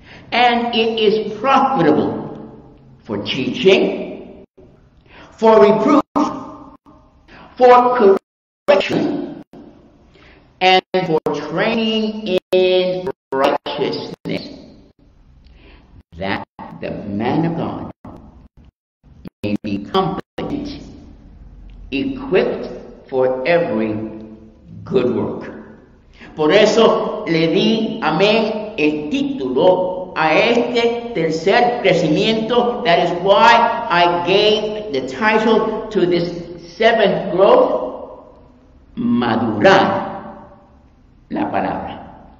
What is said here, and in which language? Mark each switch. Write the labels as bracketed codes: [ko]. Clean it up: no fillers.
[en] And it is profitable for teaching, for reproof, for correction, and for training in righteousness, that the man of God may be competent, equipped for every good work. [es] Por eso le di, amén, el título a este tercer crecimiento. [en] That is why I gave the title to this seventh growth, [es] madurar la palabra.